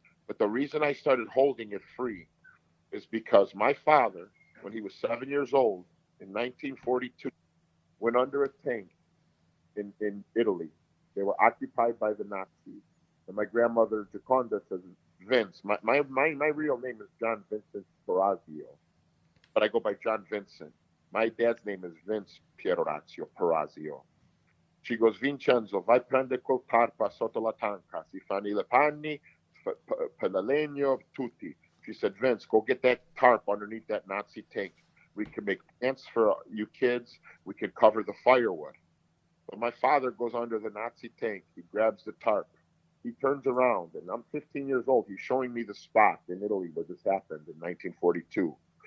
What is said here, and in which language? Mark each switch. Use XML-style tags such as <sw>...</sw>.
<en>But the reason I started holding it free is because my father, when he was 7 years old in 1942, went under a tank in Italy. They were occupied by the Nazis. And my grandmother, Gioconda, says, Vince, my real name is John Vincent Perazio, but I go by John Vincent. My dad's name is Vince Pierorazio Perazio.</en> <it>She goes, Vincenzo, vai prende col tarpa sotto la tanca, si fanno le panni, per la legno, tutti.</it> <en>She said, Vince, go get that tarp underneath that Nazi tank. We can make pants for you kids. We can cover the firewood. But my father goes under the Nazi tank. He grabs the tarp. He turns around, and I'm 15 years old. He's showing me the spot in Italy where this happened in 1942.</en>